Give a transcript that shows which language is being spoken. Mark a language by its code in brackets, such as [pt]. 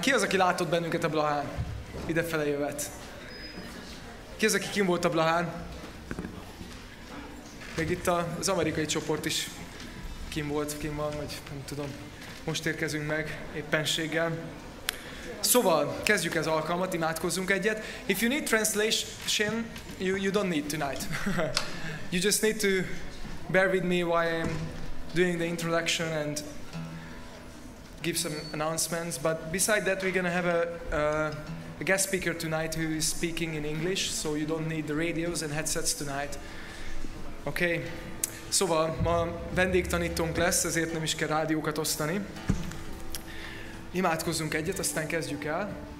[hu] Ki az, aki látott bennünket a Blahán? Idefele jövet. Ki az, aki kint volt a Blahán? Meg itt az amerikai csoport is kint volt, kint van, vagy nem tudom. Most érkezünk meg éppenséggel. Szóval, kezdjük ez alkalmat, imádkozzunk egyet. [en] If you need translation, you don't need tonight. You just need to bear with me while I'm doing the introduction and give some announcements. But beside that, we're gonna have a guest speaker tonight who is speaking in English, so you don't need the radios and headsets tonight. Okay. [hu] Szóval, ma vendégtanítónk lesz, ezért nem is kell rádiókat osztani. Imádkozzunk egyet, aztán kezdjük el.